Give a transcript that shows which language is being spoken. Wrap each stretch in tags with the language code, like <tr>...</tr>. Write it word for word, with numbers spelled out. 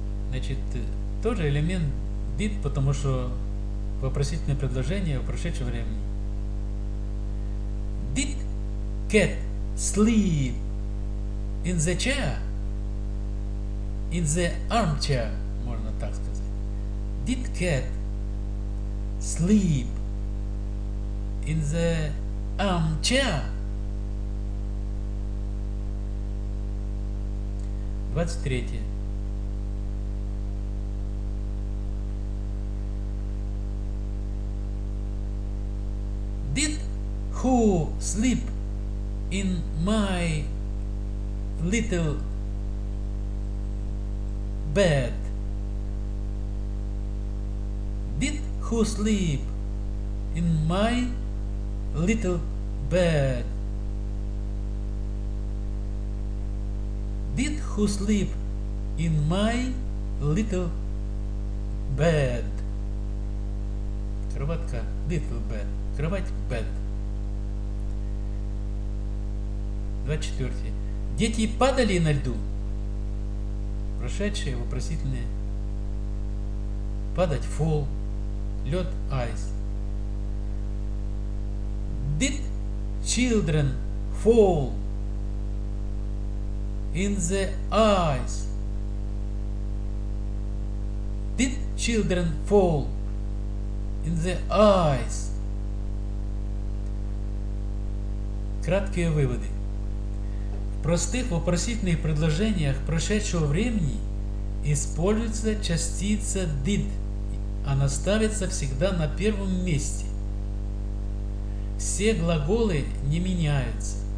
<ru>Значит, тоже элемент did, потому что вопросительное предложение в прошедшем времени.</ru> <en>Did cat sleep in the chair? In the armchair,</en> <ru>можно так сказать.</ru> <en>Did cat sleep in the armchair?</en> <ru>двадцать третье.</ru> <en>Did who sleep in my little bed? Did who sleep in my little bed? Did who sleep in my little bed?</en> <ru>Кроватка,</ru> <en>little bed.</en> <ru>Кровать, bed. двадцать четвёртое. Дети падали на льду. Прошедшие вопросительные. Падать, fall. Лед, ice.</ru> <en>Did children fall in the ice? Did children fall in the ice?</en> <ru>Краткие выводы. В простых вопросительных предложениях прошедшего времени используется частица did. Она ставится всегда на первом месте. Все глаголы не меняются.</ru>